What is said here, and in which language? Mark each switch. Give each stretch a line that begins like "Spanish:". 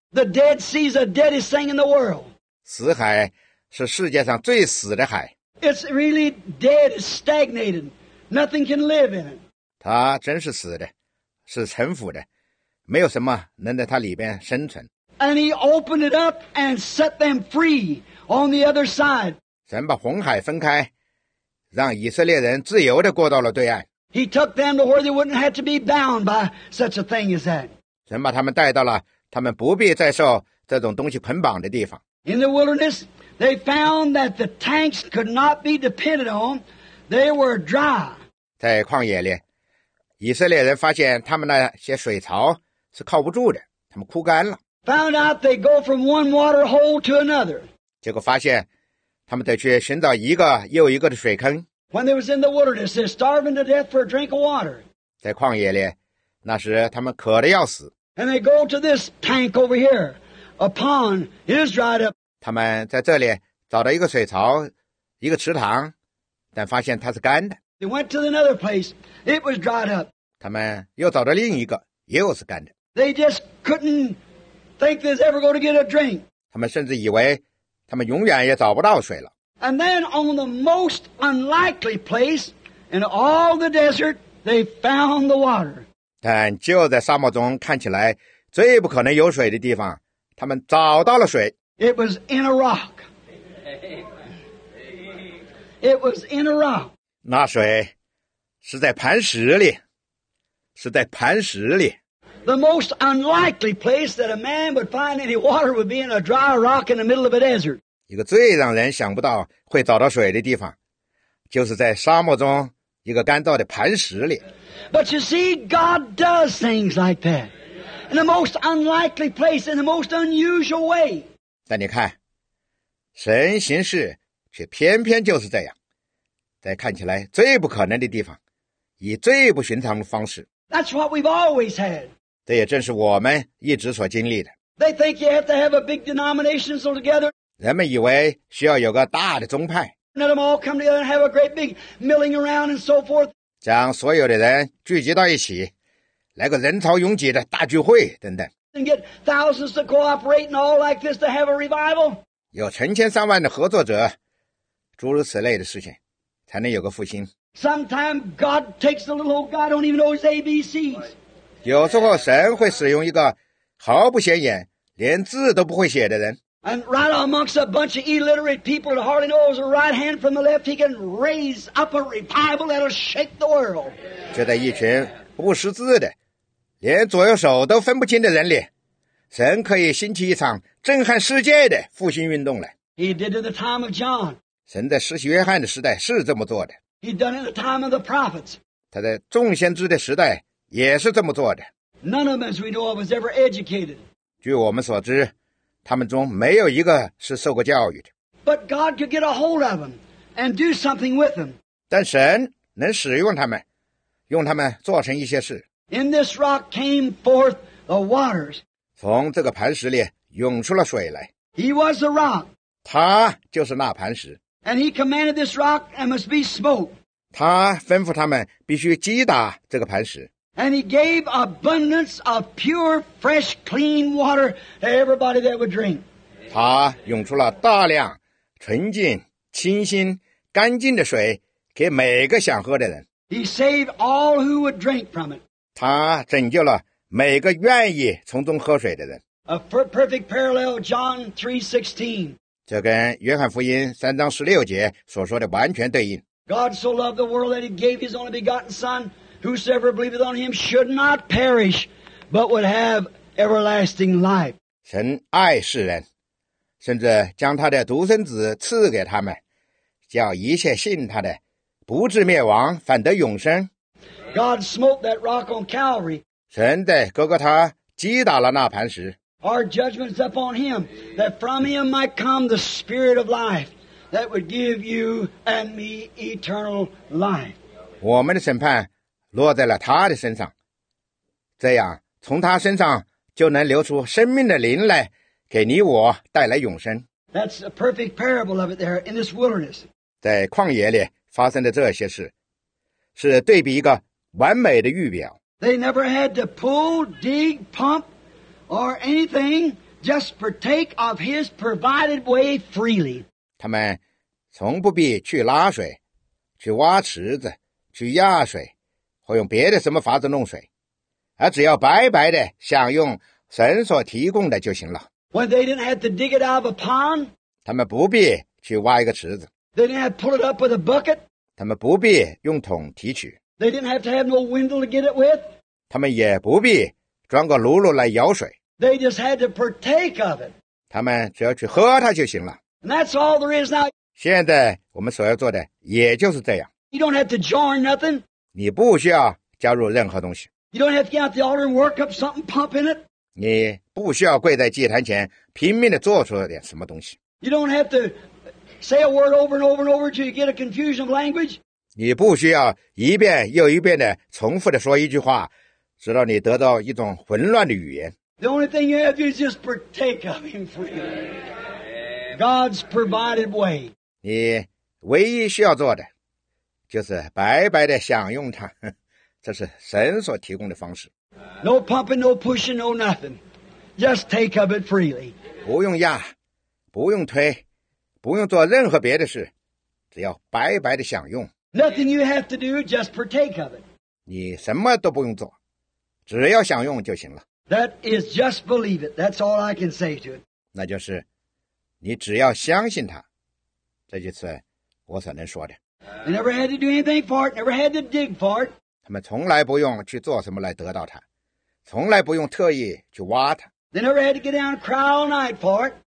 English: The Dead Sea is the deadest thing in the world.
Chinese: 死海是世界上最死的海。
English: It's really dead, stagnated. Nothing can live in it.
Chinese: 它真是死的，是沉浮的，没有什么能在它里边生存。
English: And he opened it up and set them free on the other side.
Chinese: 神把红海分开，让以色列人自由地过到了对岸。
English: He took them to where they wouldn't have to be bound by such a thing as that.
Chinese: 神把他们带到了他们不必再受这种东西捆绑的地方。
English: In the wilderness, they found that the tanks could not be depended on. They were dry.
Chinese: 在旷野里，以色列人发现他们那些水槽是靠不住的，他们枯干了。
English: Found out they go from one water hole to another.
Chinese: 结果发现，他们得去寻找一个又一个的水坑。
English: When they was in the wilderness, they're starving to death for a drink of water.
Chinese: 在旷野里，那时他们渴得要死。
English: And they go to this tank over here, a pond, it is dried up.
Chinese: 他们在这里找到一个水槽，一个池塘，但发现它是干的。
English: They went to another place, it was dried up.
Chinese: 他们又找到另一个，又是干的。
English: They just couldn't think they're ever going to get a drink.
Chinese: 他们甚至以为他们永远也找不到水了。
English: And then on the most unlikely place in all the desert, they found the water.
Chinese: 但就在沙漠中看起来最不可能有水的地方，他们找到了水。
English: It was in a rock. It was in a rock.
Chinese: 那水是在磐石里，是在磐石里。
English: The most unlikely place that a man would find any water would be in a dry rock in the middle of a desert.
Chinese: 一个最让人想不到会找到水的地方，就是在沙漠中一个干燥的磐石里。
English: But you see, God does things like that in the most unlikely place, in the most unusual way.
Chinese: 但你看，神行事却偏偏就是这样，在看起来最不可能的地方，以最不寻常的方式。
English: That's what we've always had.
Chinese: 这也正是我们一直所经历的。
English: They think you have to have a big denomination altogether.
Chinese: 人们以为需要有个大的宗派。
English: Let them all come together and have a great big milling around and so forth.
Chinese: 将所有的人聚集到一起，来个人潮拥挤的大聚会等等。
English: And get thousands to cooperate and all like this to have a revival.
Chinese: 有成千上万的合作者，诸如此类的事情，才能有个复兴。
English: Sometimes God takes a little old guy don't even know his ABCs.
Chinese: 有时候神会使用一个毫不显眼、连字都不会写的人。
English: And right amongst a bunch of illiterate people that hardly knows the right hand from the left, he can raise up a revival that'll shake the world.
Chinese: 就在一群不识字的，连左右手都分不清的人里，神可以兴起一场震撼世界的复兴运动来。
English: He did it in the time of John.
Chinese: 神在施洗约翰的时代是这么做的。
English: He done it in the time of the prophets.
Chinese: 他在众先知的时代也是这么做的。
English: None of them, as we know, was ever educated.
Chinese: 据我们所知。他们中没有一个是受过教育的。
English: But God could get a hold of them and do something with them.
Chinese: 但神能使用他们，用他们做成一些事。
English: In this rock came forth the waters.
Chinese: 从这个磐石里涌出了水来。
English: He was the rock.
Chinese: 他就是那磐石。
English: And he commanded this rock and must be smote.
Chinese: 他吩咐他们必须击打这个磐石。
English: And he gave abundance of pure, fresh, clean water to everybody that would drink.
Chinese: 他涌出了大量纯净、清新、干净的水给每个想喝的人。
English: He saved all who would drink from it.
Chinese: 他拯救了每个愿意从中喝水的人。
English: A perfect parallel, John 3:16.
Chinese: 这跟约翰福音三章十六节所说的完全对应。
English: God so loved the world that he gave his only begotten Son. Whosoever believeth on him should not perish, but would have everlasting life.
Chinese: 神爱世人，甚至将他的独生子赐给他们，叫一切信他的不至灭亡，反得永生。
English: God smote that rock on Calvary.
Chinese: 神在哥哥他击打了那磐石。
English: Our judgment is upon him, that from him might come the spirit of life, that would give you and me eternal life.
Chinese: 我们的审判落在了他的身上，这样从他身上就能流出生命的灵来，给你我带来永生。
English: That's a perfect parable of it there in this wilderness.
Chinese: 在旷野里发生的这些事，是对比一个完美的预表。
English: They never had to pull, dig, pump, or anything. Just partake of His provided way freely.
Chinese: 他们从不必去拉水，去挖池子，去压水，或用别的什么法子弄水，而只要白白的享用神所提供的就行了。
English: When they didn't have to dig it out of a pond,
Chinese: 他们不必去挖一个池子。
English: They didn't have to pull it up with a bucket.
Chinese: 他们不必用桶提取。
English: They didn't have to have no windle to get it with.
Chinese: 他们也不必装个炉炉来舀水。
English: They just had to partake of it.
Chinese: 他们只要去喝它就行了。
English: And that's all there is now.
Chinese: 现在我们所要做的也就是这样。
English: You don't have to join nothing.
Chinese: 你不需要加入任何东西。
English: You don't have to get out the altar and work up something pumping it.
Chinese: 你不需要跪在祭坛前拼命地做出点什么东西。
English: You don't have to say a word over and over and over until you get a confusion of language.
Chinese: 你不需要一遍又一遍地重复地说一句话，直到你得到一种混乱的语言。
English: The only thing you have to do is just partake of Him freely. God's provided way.
Chinese: 你唯一需要做的就是白白地享用它，这是神所提供的方式。
English: No pumping, no pushing, no nothing. Just take of it freely.
Chinese: 不用压，不用推，不用做任何别的事，只要白白地享用。
English: Nothing you have to do, just partake of it.
Chinese: 你什么都不用做，只要享用就行了。
English: That is just believe it. That's all I can say to it.
Chinese: 那就是你只要相信它，这就是我所能说的。
English: They never had to do anything for it. Never had to dig for it.
Chinese: 他们从来不用去做什么来得到它，从来不用特意去挖它。
English: They never had to get down and cry all night for it.